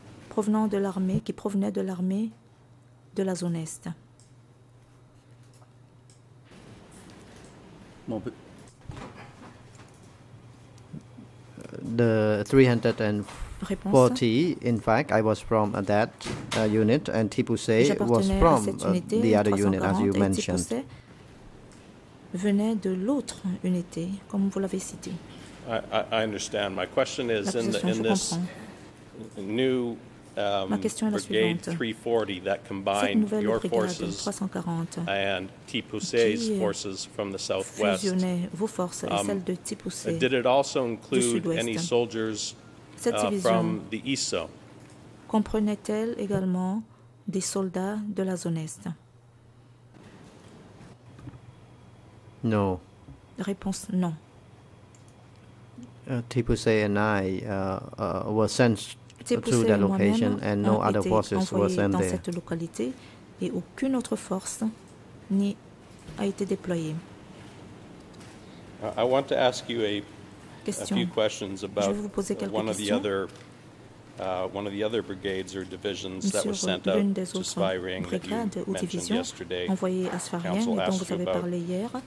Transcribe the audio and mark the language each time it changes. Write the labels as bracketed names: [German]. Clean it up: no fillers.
[French] Provenant de l'armée, qui provenait de l'armée de la zone Est. [English] Bon, the 340, in fact, I was from that unit, and T. Poussey was from the other unit, as you mentioned. [French] Venait de l'autre unité, comme vous l'avez cité. [English] I understand. My question is, in this new brigade 340 that combined your forces and T. Poussey's forces from the southwest, [French] vos forces et celles de T. Poussey, [English] did it also include any soldiers from the East Zone? [French] Comprenait-elle également des soldats de la zone Est? [English] No. [French] Réponse non. [English] T. Poussey and I were sent to the location and no other forces were sent there. [French] Cette localité et aucune autre force n'y a été déployée. [English] I want to ask you a few questions about one of the other brigades or divisions that was sent out to Sfaxien that you mentioned yesterday. [French] Envoyé à Sfaxien, et dont vous avez parlé hier.